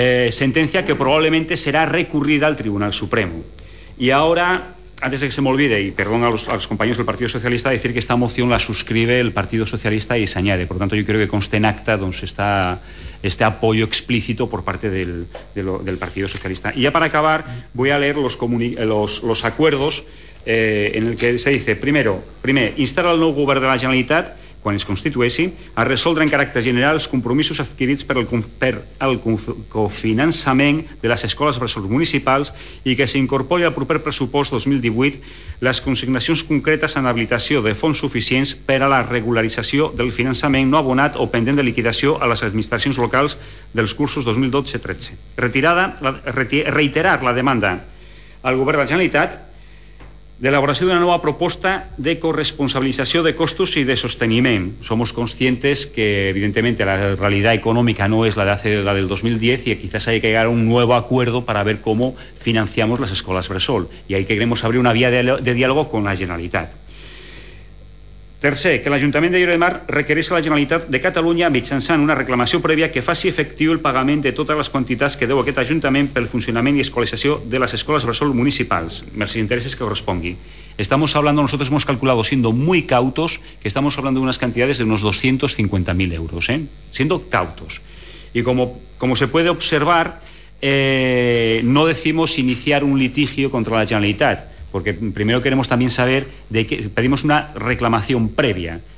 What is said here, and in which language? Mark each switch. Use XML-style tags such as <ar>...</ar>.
<es>Sentencia que probablemente será recurrida al Tribunal Supremo. Y ahora, antes de que se me olvide, y perdón a los compañeros del Partido Socialista, decir que esta moción la suscribe el Partido Socialista y se añade. Por lo tanto, yo creo que conste en acta donde está este apoyo explícito por parte del Partido Socialista. Y ya para acabar, voy a leer los acuerdos en el que se dice,</es> <ca>primer, instar al nou govern de la Generalitat, quan es constitueixi, a resoldre en caràcter general els compromisos adquirits per al cofinançament de les escoles bressol municipals i que s'incorpori al proper pressupost 2018 les consignacions concretes en habilitació de fons suficients per a la regularització del finançament no abonat o pendent de liquidació a les administracions locals dels cursos 2012-13. Reiterar la demanda al govern de la Generalitat d'elaboració d'una nova proposta de corresponsabilització de costos i de sosteniment.</ca> <es>Somos conscientes que, evidentemente, la realidad económica no es la del 2010 y quizás hay que llegar a un nuevo acuerdo para ver cómo financiamos las escuelas Bressol. Y ahí queremos abrir una vía de diálogo con la Generalitat.</es> <ca>Tercer, que l'Ajuntament de Lloret de Mar requereix a la Generalitat de Catalunya mitjançant una reclamació prèvia que faci efectiu el pagament de totes les quantitats que deu aquest Ajuntament pel funcionament i escolarització de les escoles bressol municipals, amb els interessos que correspongui.</ca> <es>Estamos hablando, nosotros hemos calculado, siendo muy cautos, que estamos hablando de unas cantidades de unos 250.000 euros, ¿eh? Siendo cautos. Y como se puede observar, no decimos iniciar un litigio contra la Generalitat, porque primero queremos también saber de qué pedimos una reclamación previa.</es>